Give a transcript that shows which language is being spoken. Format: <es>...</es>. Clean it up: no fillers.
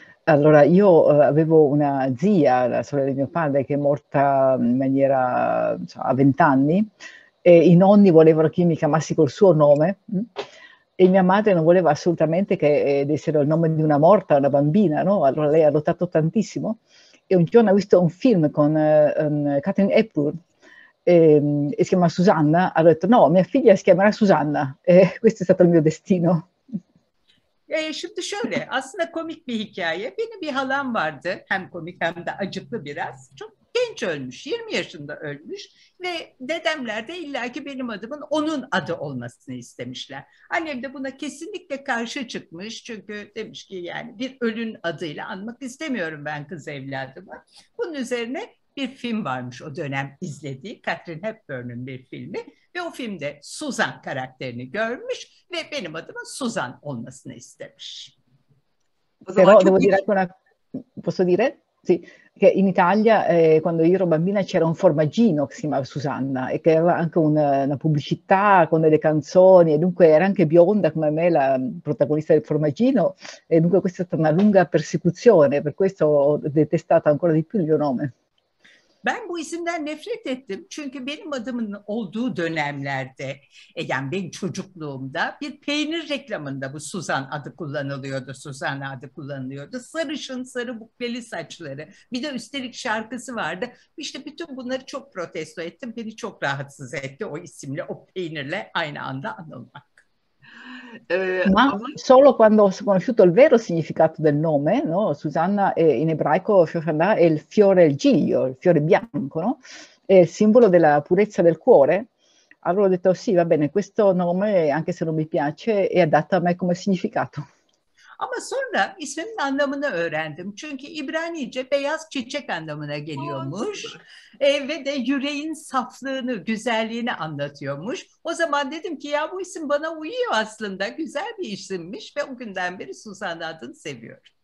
<it>Allora, io avevo una zia, la sorella di mio padre, che è morta in maniera, a 20 anni, e i nonni volevano che io mi chiamassi col suo nome, e mia madre non voleva assolutamente che dessero il nome di una morta, una bambina, no? Allora lei ha lottato tantissimo, e un giorno ha visto un film con Katharine Hepburn, e si chiama Susanna, ha detto no, mia figlia si chiamerà Susanna, e questo è stato il mio destino.</it> <tr>Şimdi şöyle, aslında komik bir hikaye. Benim bir halam vardı, hem komik hem de acıklı biraz. Çok genç ölmüş, 20 yaşında ölmüş ve dedemler de illaki benim adımın onun adı olmasını istemişler. Annem de buna kesinlikle karşı çıkmış çünkü demiş ki yani bir ölün adıyla anmak istemiyorum ben kız evladımı. Bunun üzerine bir film varmış o dönem izlediği, Katharine Hepburn'un bir filmi. Ve o filmde Susan karakterini görmüş ve benim adımın Susan olmasını istemiş.</tr> <it>Però devo dire una... Posso dire? Sì. Che in Italia, quando io ero bambina, c'era un formaggino che si chiamava Susanna e che aveva anche una pubblicità con delle canzoni, e dunque era anche bionda come me, la protagonista del formaggino, e dunque questa è stata una lunga persecuzione, per questo ho detestato ancora di più il mio nome.</it> <tr>Ben bu isimden nefret ettim çünkü benim adımın olduğu dönemlerde, yani benim çocukluğumda bir peynir reklamında bu Suzan adı kullanılıyordu, Suzan adı kullanılıyordu. Sarışın, sarı bukleli saçları, bir de üstelik şarkısı vardı. İşte bütün bunları çok protesto ettim, beni çok rahatsız etti o isimle, o peynirle aynı anda anılmak.</tr> <it>Ma solo quando ho conosciuto il vero significato del nome, no? Susanna è in ebraico Shoshana è il fiore, il giglio, il fiore bianco, no? È il simbolo della purezza del cuore. Allora ho detto sì, va bene, questo nome, anche se non mi piace, è adatto a me come significato.</it> <tr>Ama sonra isminin anlamını öğrendim. Çünkü İbranice beyaz çiçek anlamına geliyormuş. Ve de yüreğin saflığını, güzelliğini anlatıyormuş. O zaman dedim ki ya bu isim bana uyuyor aslında. Güzel bir isimmiş ve o günden beri Susan adını seviyorum.</tr>